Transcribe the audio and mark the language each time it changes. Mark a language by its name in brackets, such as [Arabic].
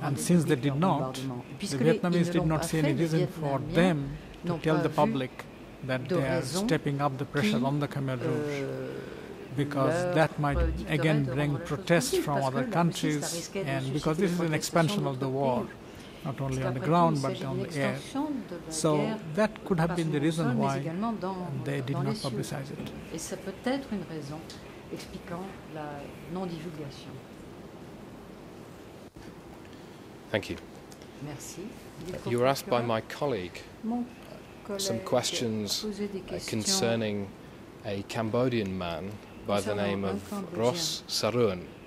[English] and since they did not, the Vietnamese did not see any reason for them to tell the public that they are stepping up the pressure on the Khmer Rouge. Because that might again bring protests from other countries, and because this is an expansion of the war, not only on the ground but on the air. So that could have been the reason why they did not publicize it. [French] Et ça peut être une raison expliquant la non-divulgation. [English] Thank you. [French] Merci. [English] You were asked by my colleague some questions concerning a Cambodian man by the name of Ross Saroun,